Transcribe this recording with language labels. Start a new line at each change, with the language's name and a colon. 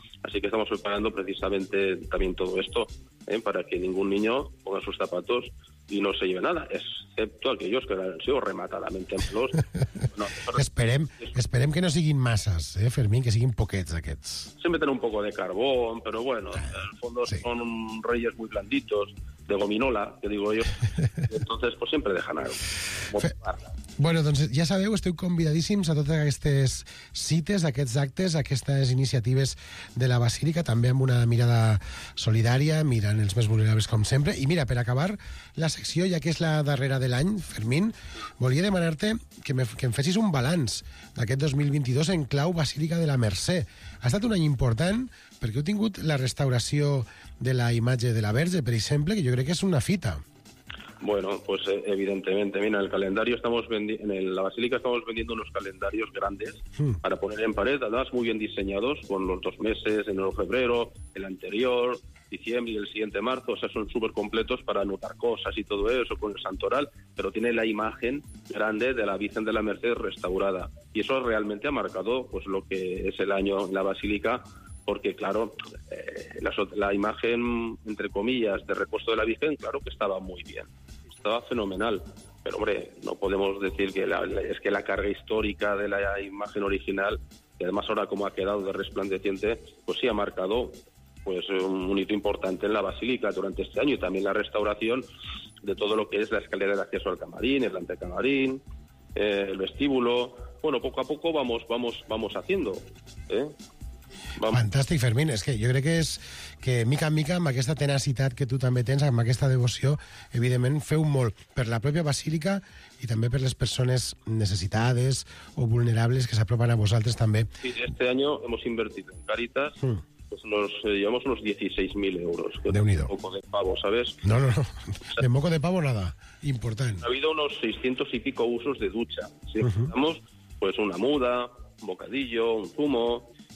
Spanish: Así que estamos preparando precisamente también todo esto, para que ningún niño ponga sus zapatos y no se lleve nada, excepto aquellos que han sido rematadamente malos.
Catalan: No, pero... Esperem que no siguin masses, Fermín, que siguin poquets aquests.
Spanish: Se meten un poco de carbón, pero bueno, al fondo sí. Son reyes muy blanditos, de gominola, que digo yo. Entonces, pues siempre dejan algo.
Catalan: Bueno, doncs ja sabeu, esteu convidadíssims a totes aquestes cites, aquests actes, aquestes iniciatives de la Basílica, també amb una mirada solidària, mirant els més vulnerables com sempre. I mira, per acabar la secció, ja que és la darrera de l'any, Fermín, volia demanar-te que em fessis un balanç d'aquest 2022 en clau Basílica de la Mercè. Ha estat un any important perquè heu tingut la restauració de la imatge de la Verge, per exemple, que jo crec que és una fita.
Spanish: Bueno, pues evidentemente, mira, en la basílica estamos vendiendo unos calendarios grandes para poner en pared, además muy bien diseñados, con los dos meses, enero, febrero, el anterior, diciembre y el siguiente marzo, o sea, son súper completos para anotar cosas y todo eso, con el santoral, pero tiene la imagen grande de la Virgen de la Merced restaurada, y eso realmente ha marcado pues lo que es el año en la basílica, porque claro, la imagen, entre comillas, de repuesto de la Virgen, claro que estaba muy bien, estaba fenomenal, pero hombre, no podemos decir que la carga histórica de la imagen original, y además ahora como ha quedado de resplandeciente, pues sí ha marcado pues un hito importante en la Basílica durante este año, y también la restauración de todo lo que es la escalera de acceso al camarín, el antecamarín, el vestíbulo, bueno, poco a poco vamos haciendo, Vamos.
Catalan: Fantàstic, Fermín. És que jo crec que és que mica en mica, amb aquesta tenacitat que tu també tens, amb aquesta devoció, evidentment feu molt per la pròpia basílica i també per les persones necessitades o vulnerables que s'apropen a vosaltres també.
Spanish: Sí, este año hemos invertido en Caritas, pues nos llevamos unos 16.000 euros.
Catalan: Déu-n'hi-do.
Spanish: Un poco de pavo, ¿sabes? No. De moco de pavo nada.
Catalan: Important.
Spanish: Ha habido unos 600 y pico usos de ducha. Si necesitamos, pues una muda, un bocadillo, un zumo...